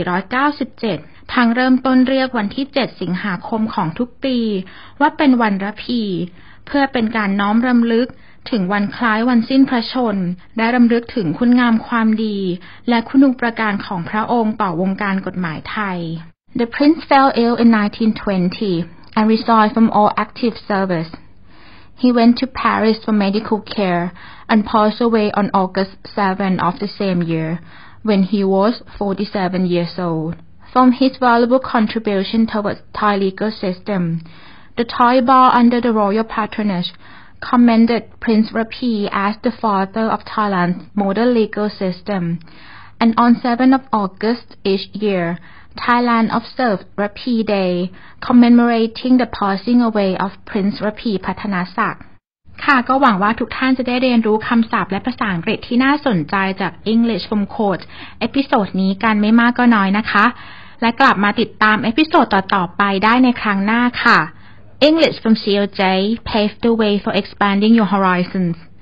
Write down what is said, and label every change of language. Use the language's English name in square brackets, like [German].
[Thai] 2497ทางเริ่มต้นเรียกวันที่7สิงหาคมของทุกปีว่าเป็นวันรพีเพื่อเป็นการน้อมรำลึกถึงวันคล้ายวันสิ้นพระชนม์และรำลึกถึงคุณงามความดีและคุณูปการของพระองค์ต่อวงการกฎหมายไทย [English] The Prince fell ill in 1920 and resigned from all active service. He went to Paris for medical care and passed away on August 7 of the same year when he was 47 years old. From his valuable contribution towards Thai legal system, the Thai bar under the royal patronage commended Prince Rapi as the father of Thailand's modern legal system. And on 7 of August each year, Thailand observed Rapi Day, commemorating the passing away of Prince Rapi Patanasak. [Thai] ค่ะก็หวังว่าทุกท่านจะได้เรียนรู้คำศัพท์และภาษาอังกฤษที่น่าสนใจจาก English from Coach เอพิโซดนี้กันไม่มากก็น้อยนะคะและกลับมาติดตามเอพิโซดต่อๆไปได้ในครั้งหน้าค่ะ [English] English from COJ paved the way for expanding your horizons.